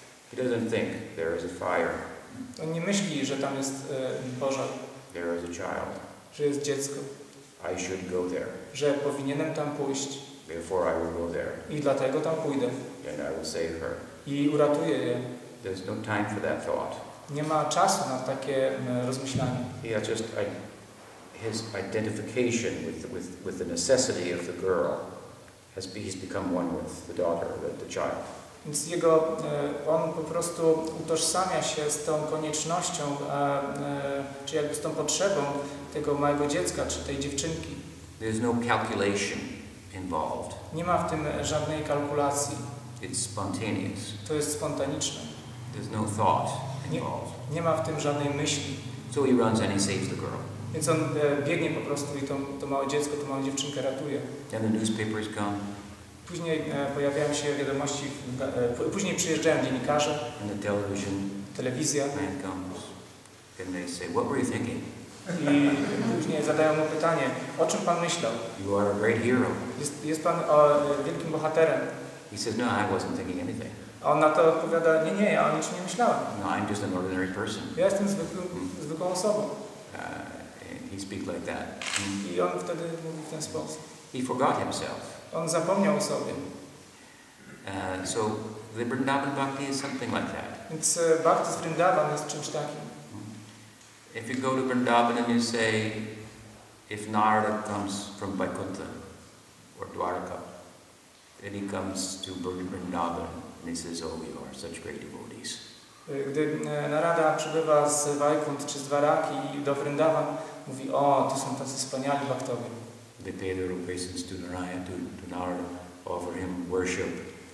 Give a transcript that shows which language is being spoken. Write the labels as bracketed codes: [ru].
[en] He doesn't think there is a fire. [pl] On nie myśli, że tam jest pożar. [en] There is a child. [pl] Że jest dziecko. [en] I should go there. [pl] Że powinienem tam pójść. [en] Therefore I will go there. [pl] I dlatego tam pójdę. [en] And I will save her. [pl] I uratuję je. [en] There's no time for that thought. [pl] Nie ma czasu na takie rozmyślanie. [en] Yeah, just his identification with the necessity of the girl he's become one with the daughter, the child. [pl] Więc jego, on po prostu utożsamia się z tą koniecznością, czy jakby z tą potrzebą tego małego dziecka, czy tej dziewczynki. [en] There's no calculation involved. [pl] Nie ma w tym żadnej kalkulacji. [en] It's spontaneous. [pl] To jest spontaniczne. [en] There's no thought involved. [pl] Nie ma w tym żadnej myśli. [en] So he runs and he saves the girl. [pl] Więc on biegnie po prostu i to małe dziecko, tą małą dziewczynkę ratuje. [en] And the newspapers come. [pl] Później pojawiają się wiadomości, później przyjeżdżają dziennikarze. [en] And the television. [pl] Telewizja. [en] Man comes. And they say, what were you thinking? [pl] I później zadają mu pytanie, o czym pan myślał? [en] You are a great hero. [pl] Jest pan wielkim bohaterem. [en] He says, no, I wasn't thinking anything. [pl] A on na to odpowiada, nie, ja o niczym nie myślałem. [en] No, I'm just an ordinary person. [pl] Ja jestem zwykłą osobą. [en] He speak like that. [pl] I on wtedy mówi w ten sposób. [en] He forgot himself. [pl] On zapomniał o sobie. [en] So the Vrindavan Bhakti is something like that. [pl] Więc Bhakti z Vrindavan jest czymś takim. [en] If you go to Vrindavan and you say, if Narada comes from Vaikuntha or Dwarka, and he comes to Vrindavan, and he says, oh, you are such great devotees. [pl] Gdy Narada przybywa z Vaikunt czy z Dwaraki do Vrindavan, mówi, o, to są tacy wspaniali bhaktowie. [en] They pay their obeisance to Narayana, to Narada, offer him worship.